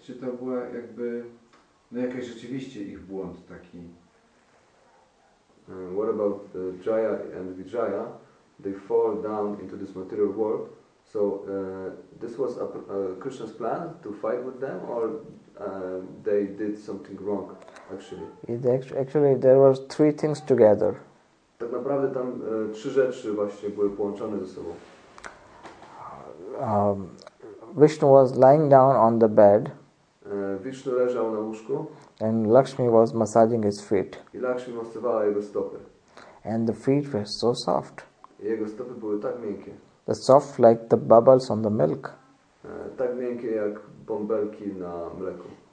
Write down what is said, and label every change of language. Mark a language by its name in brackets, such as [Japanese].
[Polish] Czy to była jakby, no jakaś rzeczywiście ich błąd taki? [English] What about Jaya and Vijaya? They fall down into this material world. So this was Krishna's plan to fight with them, or they did something wrong, actually? Actually, there were three things together. [Polish] Tak naprawdę tam trzy rzeczy właśnie były połączone ze sobą. [English] Vishnu was lying down on the bed. [Polish] Vishnu leżał na łóżku. [English] And Lakshmi was massaging his feet. [Polish] I Lakshmi masowała jego stopy. [English] And the feet were so soft. [Polish] I jego stopy były tak miękkie. [English] The soft like the bubbles on the milk. [Polish] Tak miękkie jak bąbelki na mleku.